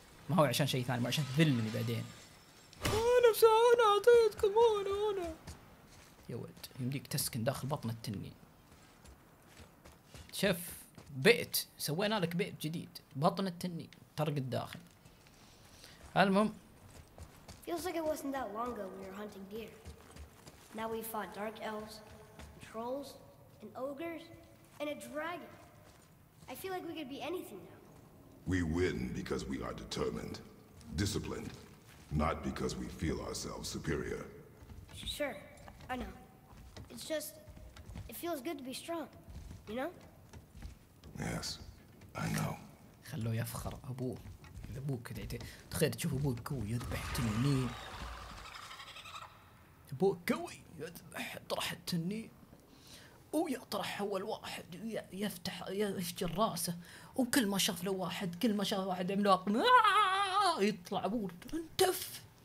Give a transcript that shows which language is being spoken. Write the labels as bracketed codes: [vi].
[ar] ما هو عشان شيء ثاني، ما عشان تذلني بعدين. انا اعطيتكم انا. يا ولد يمديك تسكن داخل بطن التنين. شيف بيت سوينا لك بيت جديد، بطن التنين. طرق الداخل. المهم. [en] Feels like it wasn't that long ago we were hunting deer. Now we fought dark elves, and trolls, and ogres, and a dragon. I feel like we could be anything now. We win because we are determined, disciplined, not because we feel ourselves superior. Sure, I know. It's just, it feels good to be strong, you know? Yes, I know. [ar] خلوه يفخر ابوه اذا ابوك كذا تخيل تشوف ابوك قوي يذبح تنين ابوك قوي يذبح طرح التنين ويطرح هو الواحد يفتح يفجر راسه، وكل ما شاف له واحد كل ما شاف واحد عملاق يطلع بورد انتف.